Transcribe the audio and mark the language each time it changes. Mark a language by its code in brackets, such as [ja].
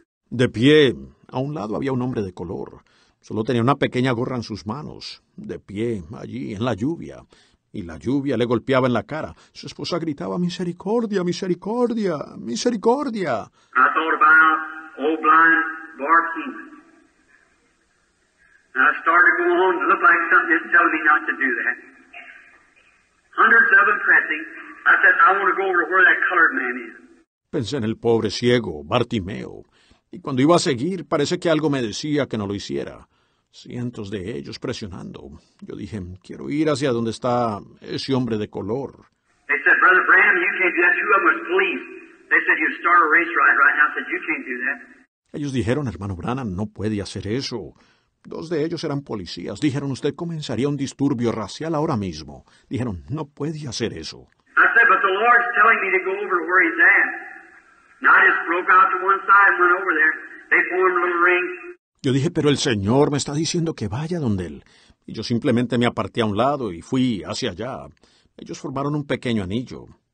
[es] De pie, a un lado había un hombre de color, solo tenía una pequeña gorra en sus manos, de pie, allí, en la lluvia. Y la lluvia le golpeaba en la cara. Su esposa gritaba, ¡misericordia, misericordia, misericordia! [en] I thought about old blind barking. And I started going on. It looked like something is telling me not to do that. Hundreds of them pressing. I said, I want to go over to where that colored man is. [es] Pensé en el pobre ciego, Bartimeo. Y cuando iba a seguir, parece que algo me decía que no lo hiciera. Cientos de ellos presionando. Yo dije, quiero ir hacia donde está ese hombre de color. [en] They said, Brother Branham, you can't do that. Two of them was police. They said, you start a race riot right now. I said, you can't do that. [es] Ellos dijeron, hermano Branham, no puede hacer eso. Dos de ellos eran policías. Dijeron, usted comenzaría un disturbio racial ahora mismo. Dijeron, no puede hacer eso. [en] I said, but the Lord's telling me to go over where he's at. And I just broke out to one side and went over there. They formed a little ring. [es] Yo dije, pero el Señor me está diciendo que vaya donde Él. Y yo simplemente me aparté a un lado y fui hacia allá. Ellos formaron un pequeño anillo.